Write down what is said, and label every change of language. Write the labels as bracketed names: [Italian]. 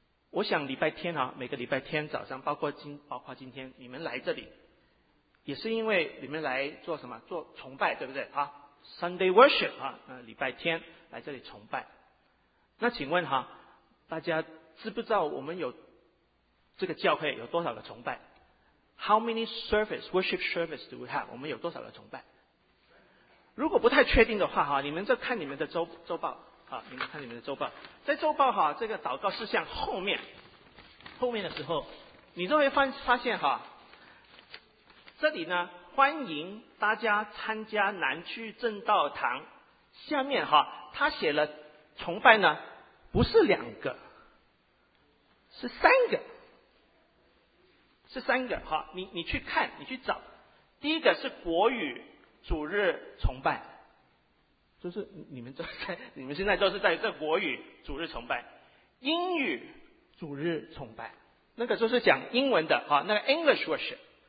[Chinese] 我想礼拜天啊，每个礼拜天早上，包括今天你们来这里，也是因为你们来做什么，做崇拜，对不对啊？ [English] Sunday worship [Chinese] 啊，礼拜天来这里崇拜。那请问哈，大家知不知道我们有这个教会有多少个崇拜？ [English] How many service worship service do we have？ [Chinese] 我们有多少个崇拜？如果不太确定的话哈，你们就看你们的周报啊，你们看你们的周报，在周报哈这个祷告事项后面的时候，你都会发现哈，这里呢欢迎大家参加南区正道堂，下面哈他写了崇拜呢不是两个，是三个哈，你去看你去找，第一个是国语主日崇拜，就是你们现在都是在这国语主日崇拜，英语主日崇拜，那个就是讲英文的哈，那个 [English] English worship。